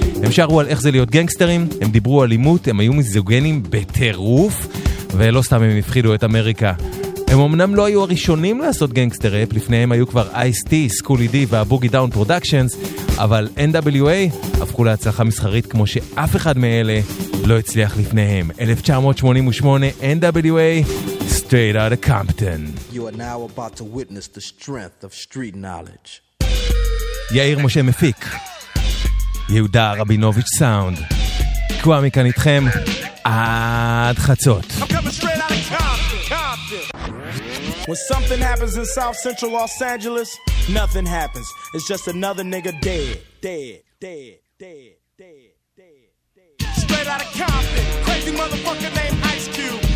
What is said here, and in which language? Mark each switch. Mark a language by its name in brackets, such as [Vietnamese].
[Hebrew] הם שרו על איך זה להיות גנגסטרים, הם דיברו על אלימות, הם היו מיזוגנים בטירוף, ולא סתם הם הפחידו את אמריקה. הם אמנם לא היו הראשונים לעשות גנגסטר ראפ, לפניהם היו כבר אייס-טי, סקולי-די והבוגי דאון פרודקשנס, אבל NWA הפכו להצלחה מסחרית כמו שאף אחד מאלה לא הצליח לפניהם. [English] 1988, NWA, Straight Outta Compton. You are now about to witness the strength of street knowledge. [Hebrew] יאיר משה מפיק, יהודה רבינוביץ' סאונד, קוואמי כאן איתכם עד חצות. [English] I'm coming straight out of When something happens in South Central Los Angeles, nothing happens. It's just another nigga dead, dead, dead, dead, dead, dead, dead. Straight out of Compton, crazy motherfucker named Ice Cube.